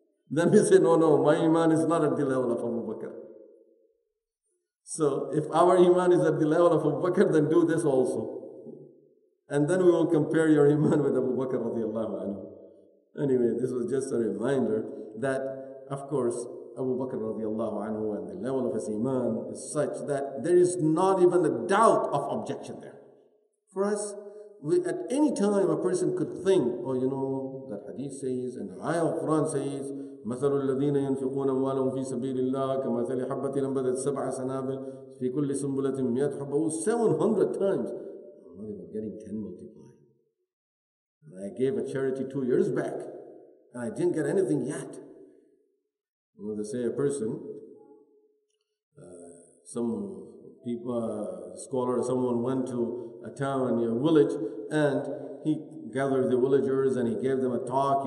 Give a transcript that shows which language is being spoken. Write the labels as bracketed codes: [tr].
[en] Then we say, no, my iman is not at the level of Abu Bakr. So if our iman is at the level of Abu Bakr, then do this also. And then we will compare your iman with Abu Bakr radiallahu anhu. Anyway, this was just a reminder that, of course, Abu Bakr radiallahu anhu and the level of his iman is such that there is not even a doubt of objection there. For us, at any time a person could think, oh, you know, that hadith says, and the ayah of Quran says, [ar] مثل الذين ينفقون أموالهم في سبيل الله كمثل حبة أنبتت سبع سنابل في كل سنبلة مئة حبة. [en] 700 times. I'm not even getting 10 multiplied. And I gave a charity 2 years back, and I didn't get anything yet. You know, they say a person, scholar, someone went to a town and a village, and he gathered the villagers and he gave them a talk.